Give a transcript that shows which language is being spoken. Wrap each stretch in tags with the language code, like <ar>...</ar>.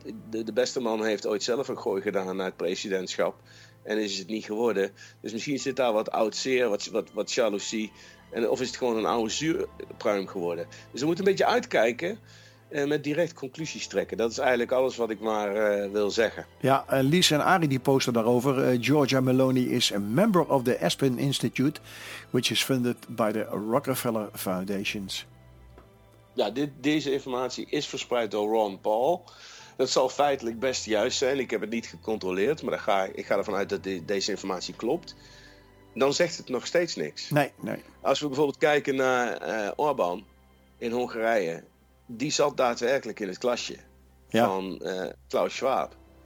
<nl>De beste man heeft ooit zelf een gooi gedaan naar het presidentschap en is het niet geworden. Dus misschien zit daar wat oud zeer, wat jaloezie. En of is het gewoon een oude zuurpruim geworden? Dus we moeten een beetje uitkijken en met direct conclusies trekken. Dat is eigenlijk alles wat ik maar wil zeggen. Ja, Lies en Ari die posten daarover.</nl> <en>Giorgia Meloni is a member of the Aspen Institute, which is funded by the Rockefeller Foundations.</en> <nl>Ja, deze informatie is verspreid door Ron Paul. Dat zal feitelijk best juist zijn. Ik heb het niet gecontroleerd, maar ik ga ervan uit dat deze informatie klopt. Dan zegt het nog steeds niks. Nee. Als we bijvoorbeeld kijken naar Orbán in Hongarije, die zat daadwerkelijk in het klasje van Klaus Schwab.</nl>